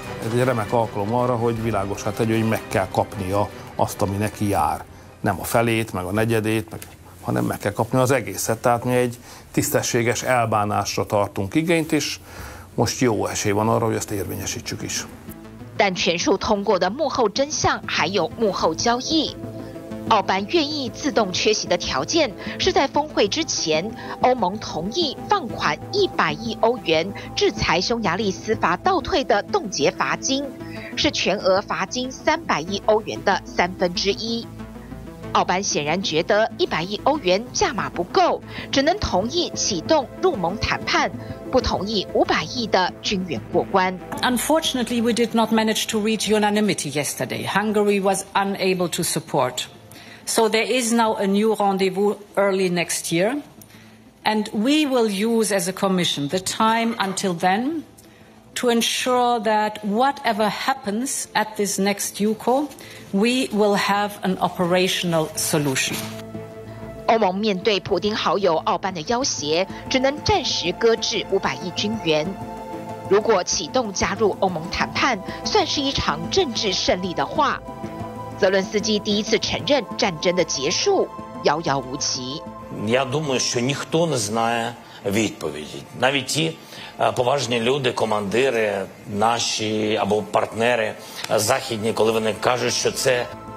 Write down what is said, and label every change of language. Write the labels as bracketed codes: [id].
[hu] Ez egy remek alkalom arra, hogy világosra tegye, hogy meg kell kapnia azt, ami neki jár. Nem a felét, meg a negyedét, hanem meg kell kapni az egészet. Tehát mi egy tisztességes elbánásra tartunk igényt, és most jó esély van arra, hogy ezt érvényesítsük is. [zh] De 全数通过的幕后真相还有幕后交易。奥班愿意自动缺席的条件是在峰会之前，欧盟同意放款100亿欧元制裁匈牙利司法倒退的冻结罚金，是全额罚金300亿欧元的三分之一。奥班显然觉得100亿欧元价码不够，只能同意启动入盟谈判，不同意500亿的军援过关。 [en] Unfortunately, we did not manage to reach unanimity yesterday. Hungary was unable to support. So there is now a new rendezvous early next year, and we will use as a commission the time until then to ensure that whatever happens at this next UCO. We will have an operational solution. [zh] 欧盟面对普丁好友奥班的要挟，只能暂时搁置500亿军援。如果启动加入欧盟谈判，算是一场政治胜利的话，泽伦斯基第一次承认战争的结束遥遥无期。 [uk] Я думаю, що ніхто не знає відповіді. Навіть ті поважні люди, командири, наші або партнери західні, коли вони кажуть, що це...